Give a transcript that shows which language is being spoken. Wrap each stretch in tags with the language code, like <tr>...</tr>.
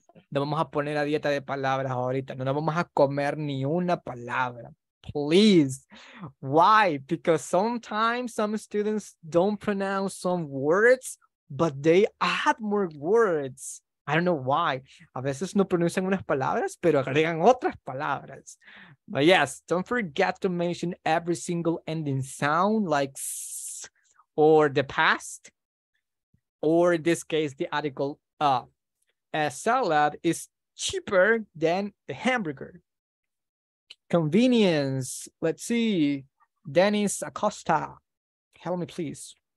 <es>No vamos a poner a dieta de palabras ahorita. No nos vamos a comer ni una palabra.</es> <en>Please. Why? Because sometimes some students don't pronounce some words, but they add more words. I don't know why.</en> <es>A veces no pronuncian unas palabras, pero agregan otras palabras.</es> <en>But yes, don't forget to mention every single ending sound like s or the past, or in this case, the article a salad is cheaper than a hamburger. Convenience. Let's see. Dennis Acosta, help me, please.</en>